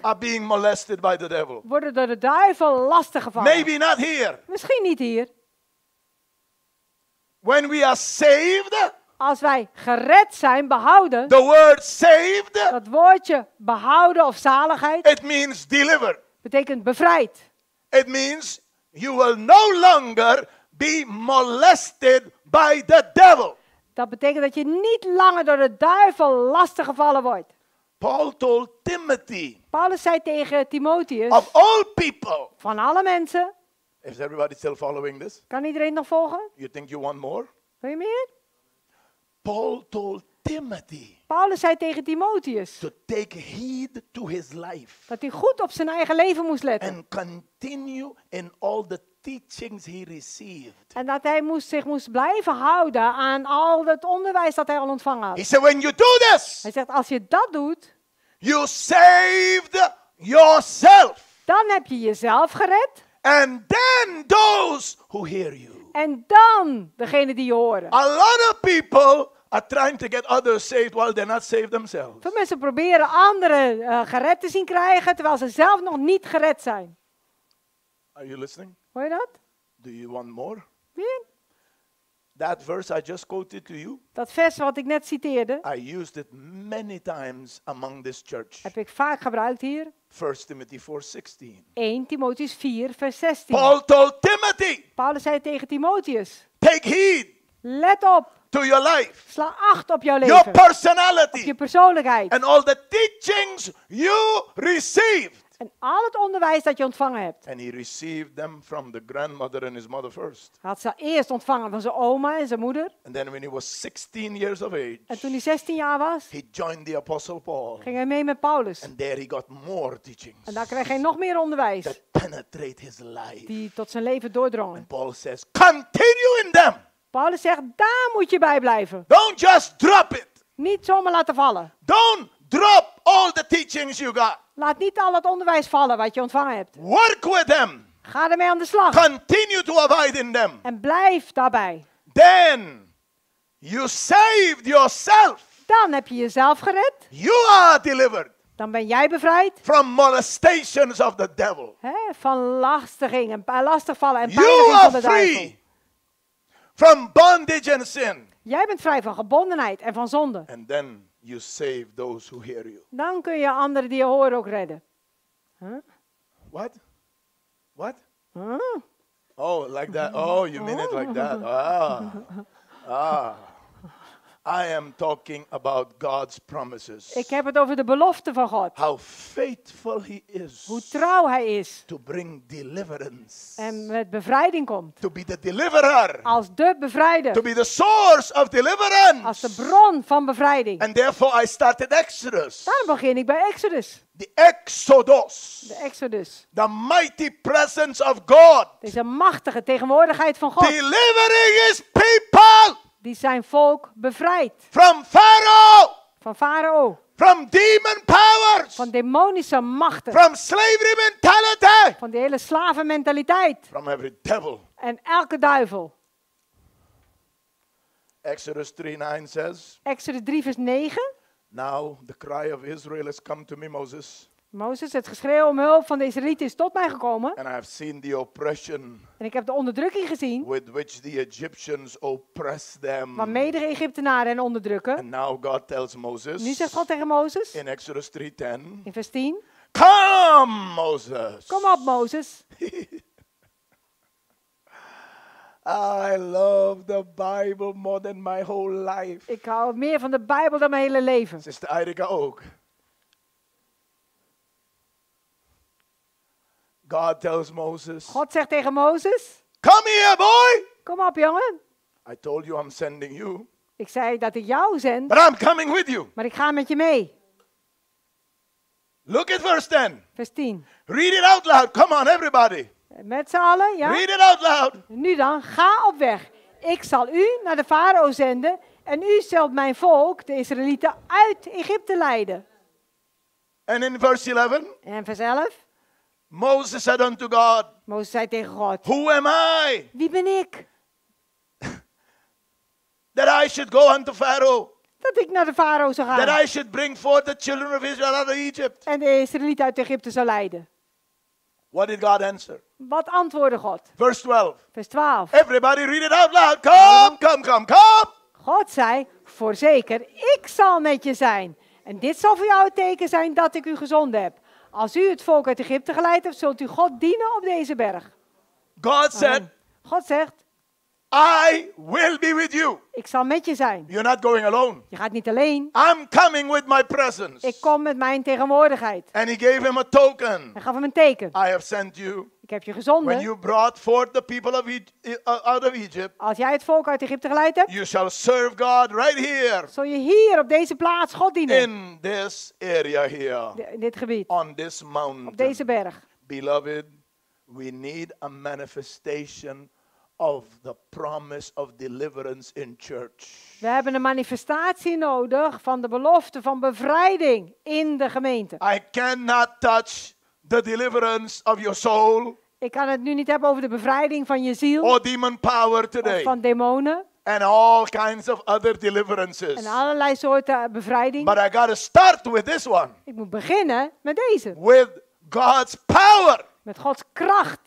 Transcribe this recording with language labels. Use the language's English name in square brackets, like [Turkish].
[English] Are being molested by the devil. [Dutch] Worden door de duivel lastiggevallen. [English] Maybe not here. [Dutch] Misschien niet hier. [English] When we are saved. [Dutch] Als wij gered zijn, behouden. [English] The word saved. [Dutch] Dat woordje behouden of zaligheid. [English] It means deliver. [Dutch] Betekent bevrijd. [English] It means you will no longer be molested by the devil. [Dutch] Dat betekent dat je niet langer door de duivel lastiggevallen wordt. [English] Paul told Timothy. [Dutch] Paulus zei tegen Timotheus. [English] Of all people. [Dutch] Van alle mensen. [English] Is everybody still following this? [Dutch] Kan iedereen nog volgen? [English] You think you want more? [Dutch] Wil je meer? [English] Paul told Timothy. [Dutch] Paulus zei tegen Timotheus. [English] To take heed to his life. [Dutch] Dat hij goed op zijn eigen leven moest letten. [English] And continue in all the teachings he received. [Dutch] En dat hij zich moest blijven houden aan al het onderwijs dat hij al ontvangen had. [English] He said, when you do this. [Dutch] Hij zegt, als je dat doet. [English] You saved yourself. [Dutch] Dan heb je jezelf gered. [English] And then those who hear you. [Dutch] En dan degene die je horen. [English] A lot of people are trying to get others saved while they're not saved themselves. [Dutch] Veel mensen proberen anderen gered te zien krijgen terwijl ze zelf nog niet gered zijn. [English] Are you listening? [Dutch] Hoor je dat? [English] Do you want more? [Dutch] Meer? [English] That verse I just quoted to you. [Dutch] Dat vers wat ik net citeerde. [English] I used it many times among this church. [Dutch] Heb ik vaak gebruikt hier. [English] 1 Timothy 4:16. [Dutch] 1 Timotheus 4 vers 16. [English] Paul told Timothy. [Dutch] Paulus zei tegen Timotheus. [English] Take heed. [Dutch] Let op. [English] To your life. [Dutch] Sla acht op jouw leven. [English] Your personality. [Dutch] Op je persoonlijkheid. [English] And all the teachings you received. [Dutch] En al het onderwijs dat je ontvangen hebt. [English] And he received them from the grandmother and his mother first. [Dutch] Hij had ze eerst ontvangen van zijn oma en zijn moeder. [English] And then when he was 16 years of age. [Dutch] En toen hij 16 jaar was. [English] He joined the apostle Paul. [Dutch] Ging hij mee met Paulus. [English] And there he got more teachings. [Dutch] En daar kreeg hij nog meer onderwijs. [English] That penetrate his life. [Dutch] Die tot zijn leven doordrongen. [English] And Paul says, continue in them. [Dutch] Paulus zegt, daar moet je bij blijven. [English] Don't just drop it. [Dutch] Niet zomaar laten vallen. [English] Don't drop all the teachings you got. [Dutch] Laat niet al het onderwijs vallen wat je ontvangen hebt. [English] Work with them. [Dutch] Ga ermee aan de slag. [English] Continue to abide in them. [Dutch] En blijf daarbij. [English] Then you saved yourself. [Dutch] Dan heb je jezelf gered. [English] You are delivered. [Dutch] Dan ben jij bevrijd. [English] From molestations of the devil. [Dutch] He, van lastiging en lastigvallen en pijniging van de duivel. [English] You are free from bondage and sin. [Dutch] Jij bent vrij van gebondenheid en van zonde. [English] And then you save those who hear you. [Dutch] Dan kun je anderen die je horen ook redden. [English] Huh? What? What? Huh? Oh, like that. Oh, you mean it like that. Ah. Ah. I am talking about God's promises. [Dutch] Ik heb het over de belofte van God. [English] How faithful he is. [Dutch] Hoe trouw hij is. [English] To bring deliverance. [Dutch] En met bevrijding komt. [English] To be the deliverer. [Dutch] Als de bevrijder. [English] To be the source of deliverance. [Dutch] Als de bron van bevrijding. [English] And therefore I started Exodus. [Dutch] Daarom begin ik bij Exodus. [English] The Exodus. The Exodus. The mighty presence of God. [Dutch] Deze machtige tegenwoordigheid van God. [English] Delivering his people. [Dutch] Die zijn volk bevrijd. [English] From Pharaoh. [Dutch] Van Farao. [English] From demon powers. [Dutch] Van demonische machten. [English] From slavery mentality. [Dutch] Van die hele slavenmentaliteit. [English] From every devil. [Dutch] En elke duivel. [English] Exodus 3:9 says. [Dutch] Exodus 3 vers 9. [English] Now the cry of Israel has come to me, Moses. [Dutch] Mozes, het geschreeuw om hulp van de Israëlieten is tot mij gekomen. [English] And I have seen the oppression. [Dutch] En ik heb de onderdrukking gezien. [English] With which the Egyptians oppress them. [Dutch] Waarmee de Egyptenaren hen onderdrukken. [English] And now God tells Moses. [Dutch] Nu zegt God tegen Mozes. [English] In Exodus 3:10. [Dutch] In vers 10. [English] Come, Moses. [Dutch] Kom op, Mozes. [English] I love the Bible more than my whole life. [Dutch] Ik hou meer van de Bijbel dan mijn hele leven. Sister Erika ook. [English] God tells Moses. [Dutch] God zegt tegen Mozes. [English] Come here, boy. [Dutch] Kom op, jongen. [English] I told you I'm sending you. [Dutch] Ik zei dat ik jou zend. [English] But I'm coming with you. [Dutch] Maar ik ga met je mee. [English] Look at verse 10. [Dutch] Vers 10. [English] Read it out loud. Come on, everybody. [Dutch] Met z'n allen, ja. [English] Read it out loud. [Dutch] Nu dan, ga op weg. Ik zal u naar de farao zenden. En u zult mijn volk, de Israëlieten, uit Egypte leiden. [English] And in verse 11. [Dutch] En vers 11. [English] Moses said unto God. [Dutch] Moses zei tegen God. [English] Who am I? [Dutch] Wie ben ik? [English] That I should go unto Pharaoh. [Dutch] Dat ik naar de farao zou gaan. [English] That I should bring forth the children of Israel out of Egypt. [Dutch] En de Israëlieten uit Egypte zou leiden. [English] What did God answer? [Dutch] Wat antwoordde God? [English] Verse 12. [Dutch] Vers 12. [English] Everybody read it out loud. Come. [Dutch] God zei, voorzeker, ik zal met je zijn. En dit zal voor jou het teken zijn dat ik u gezonden heb. Als u het volk uit Egypte geleid hebt, zult u God dienen op deze berg. [English] God said, [Dutch] God zegt, [English] I will be with you. [Dutch] Ik zal met je zijn. [English] You're not going alone. [Dutch] Je gaat niet alleen. [English] I'm coming with my presence. [Dutch] Ik kom met mijn tegenwoordigheid. [English] And he gave him a token. [Dutch] Hij gaf hem een teken. [English] I have sent you. [Dutch] Ik heb je gezonden. [English] When you brought forth the people of out of Egypt. [Dutch] Als jij het volk uit Egypte geleid hebt. [English] You shall serve God right here. [Dutch] Zul je hier op deze plaats God dienen. [English] In this area here. [Dutch] In dit gebied. [English] On this mountain. [Dutch] Op deze berg. [English] Beloved, we need a manifestation of the promise of deliverance in church. [Dutch] We hebben een manifestatie nodig van de belofte van bevrijding in de gemeente. [English] I cannot touch the deliverance of your soul. [Dutch] Ik kan het nu niet hebben over de bevrijding van je ziel. [English] Or demon power today. [Dutch] Of van demonen. [English] And all kinds of other deliverances. [Dutch] En allerlei soorten bevrijding. [English] But I gotta start with this one. [Dutch] Ik moet beginnen met deze. [English] With God's power. [Dutch] Met Gods kracht.